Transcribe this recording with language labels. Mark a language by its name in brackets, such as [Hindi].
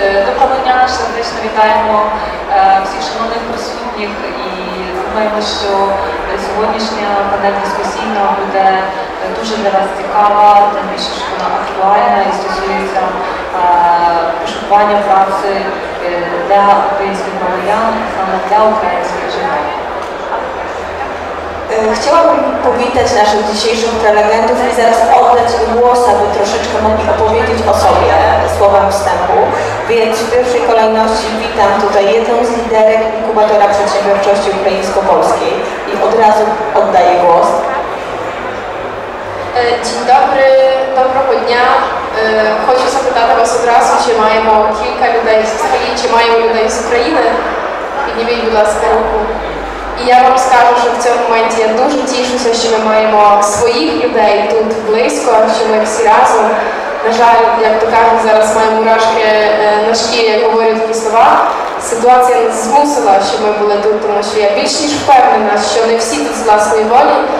[Ukrainian] Доброго дня, сердечно вітаємо всіх шановних присутніх і думаємо, що сьогоднішня панель дискусійна буде дуже для вас цікава, тим більше, що вона актуальна і стосується пошукування праці для українських громадян, саме для українських жінок. [Polish] Chciałabym powitać naszych dzisiejszych prelegentów i zaraz oddać im głos, aby troszeczkę mogli opowiedzieć o sobie słowem wstępu. Więc w pierwszej kolejności witam tutaj jedną z liderek inkubatora przedsiębiorczości ukraińsko-polskiej i od razu oddaję głos. Dzień dobry, dobrego dnia. Chcę zapytać was od razu, czy mają kilka ludzi z Ukrainy, czy mają ludzi z Ukrainy? [Ukrainian] Підніміть, будь ласка, руку. І я вам скажу, що в цьому моменті я дуже тішуся, що ми маємо своїх людей тут близько, що ми всі разом. На жаль, як то кажуть, зараз маємо мурашки на шкірі, говорю такі слова. Ситуація нас змусила, що ми були тут, тому що я більш ніж впевнена, що не всі тут з власної волі.